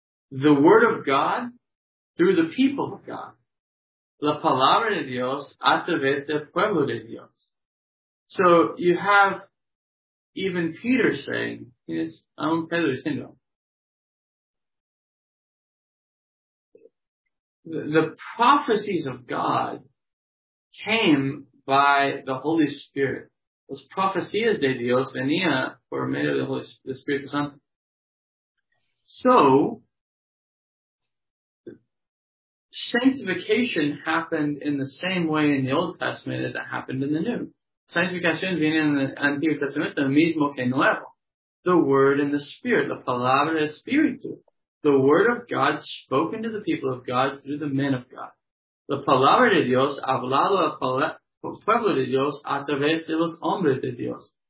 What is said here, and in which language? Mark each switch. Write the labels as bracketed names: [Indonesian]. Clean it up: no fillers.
[English] The word of God through the people of God. [Spanish] La palabra de Dios a través del pueblo de Dios. [English] So you have even Peter saying, yes, I'm [Spanish] Pedro diciendo. [English] The prophecies of God came by the Holy Spirit. [Spanish] Las profecías de Dios venían por medio del Espíritu Santo. [English] So, sanctification happened in the same way in the Old Testament as it happened in the New. [Spanish] Sanctificación viene en el Antiguo Testamento mismo que nuevo. [English] The Word and the Spirit, [Spanish] la palabra Espíritu. [English] The word of God spoken to the people of God through the men of God. [Spanish] La palabra de Dios hablado al pueblo de Dios a través de los hombres de Dios.